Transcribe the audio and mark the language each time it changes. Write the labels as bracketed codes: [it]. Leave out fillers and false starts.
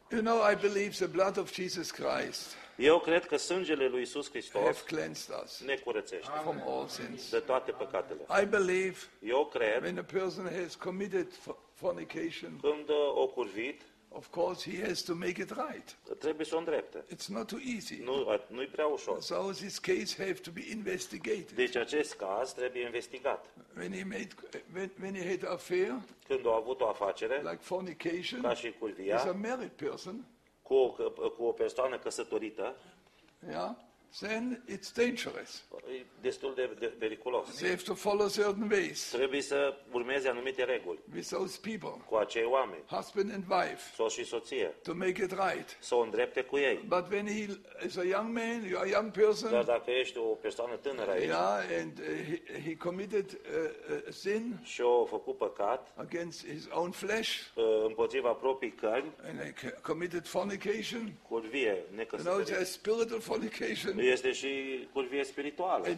[en] You know, I believe the blood of Jesus Christ. [ro] Eu cred că sângele lui Iisus Hristos ne curățește. [en] Amen. From all sins. [ro] De toate păcatele. [en] I believe. [ro] Eu cred. [en] When a person has committed fornication. [ro] Când o curvit. [en] Of course, he has to make it right. [ro] Trebuie să o îndrepte. [en] It's not too easy. [ro] Nu e prea ușor. [en] So this case have to be investigated. [ro] Deci acest caz trebuie investigat. [en] When he had an affair. [ro] Când a avut o afacere. [en] Like fornication. [ro] Ca și curvia. [en] Is a married person. [ro] Cu o persoană căsătorită. [en] Yeah. Then it's dangerous. [ro] E destul de periculos. [en] They have to follow certain ways. [ro] Trebuie să urmeze anumite reguli. [en] With those people. [ro] Cu acei oameni. [en] Husband and wife. [ro] Soț și soție. [en] To make it right. [ro] Să o îndrepte cu ei. [en] But when he is a young man, you are a young person. [ro] Dar dacă ești o persoană tânără aici. [en] Yeah, and he committed a sin. [ro] Și a făcut păcat. [en] Against his own flesh. [ro] Împotriva proprii cărni. [en] And he committed fornication. [ro] Curvie, necăsătorie. [en] And also a spiritual fornication. [ro] Este și curvie spirituală.